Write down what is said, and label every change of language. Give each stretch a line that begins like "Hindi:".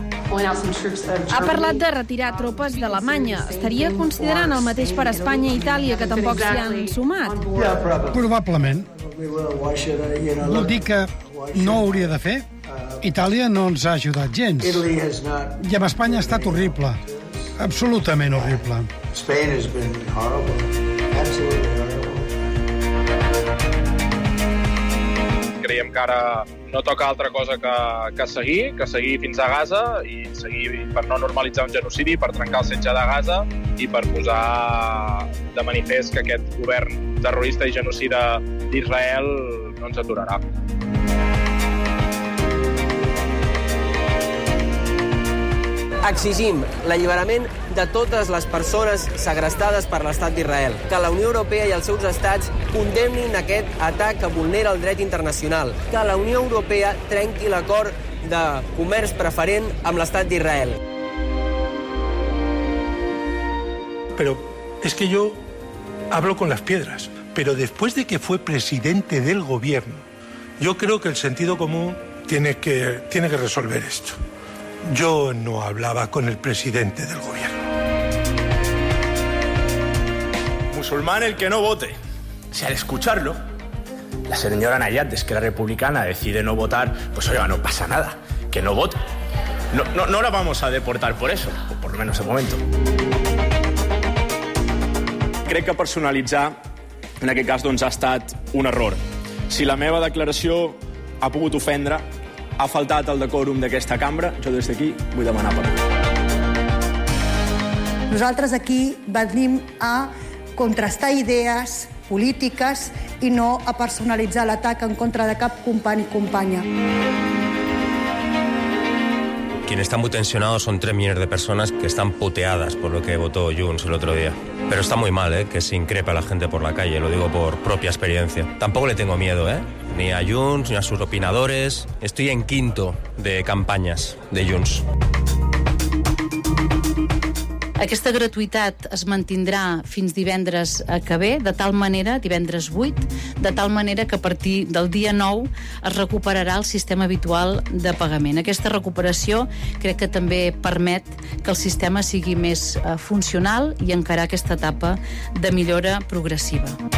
Catalan: Ha parlat de retirar tropes d'Alemanya. Estaria considerant el mateix per Espanya i Itàlia, que tampoc s'hi han sumat? Probablement. Vol dir que no ho hauria de fer. Itàlia no ens ha ajudat gens. I amb Espanya ha estat horrible. Absolutament horrible.
English: Spain has been horrible.
Catalan: Creiem que ara no toca altra cosa que seguir fins a Gaza i seguir per no normalitzar un genocidi, per trencar el setge de Gaza i per posar de manifest que aquest govern terrorista i genocida d'Israel no ens aturarà. Exigim l'alliberament de totes les persones segrestades per l'estat d'Israel. Que la Unió Europea i els seus estats condemnin aquest atac que vulnera el dret internacional. Que la Unió Europea trenqui l'acord de comerç preferent amb l'estat d'Israel. Però és que jo
Spanish: hablo con las piedras. Però después de que fue presidente del gobierno, yo creo que el sentido común tiene que resolver esto. Yo no hablaba con el presidente del gobierno. Musulmán el que no vote. Si al escucharlo, la señora Nayat, de Esquerra Republicana, decide no votar, pues oiga, no pasa nada, que no vote. No la vamos a deportar por eso, o por lo menos de momento.
Catalan: Crec que personalitzar, en aquest cas, doncs, ha estat un error. Si la meva declaració ha pogut ofendre, ha faltat el decòrum d'aquesta cambra, jo des d'aquí vull demanar perdó. Nosaltres aquí venim a contrastar idees polítiques i no a personalitzar l'atac en contra de cap company i companya.
Spanish: Quien está muy tensionado son 3 millones de personas que están puteadas por lo que votó Junts el otro día. Pero está muy mal, ¿eh?, que se increpe a la gente por la calle, lo digo por propia experiencia. Tampoco le tengo miedo, ¿eh?, ni a Junts ni a sus opinadores. Estoy en quinto de campañas de Junts.
Catalan: Aquesta gratuïtat es mantindrà fins divendres que ve, de tal manera, divendres 8, de tal manera que a partir del dia 9 es recuperarà el sistema habitual de pagament. Aquesta recuperació crec que també permet que el sistema sigui més funcional i encarar aquesta etapa de millora progressiva.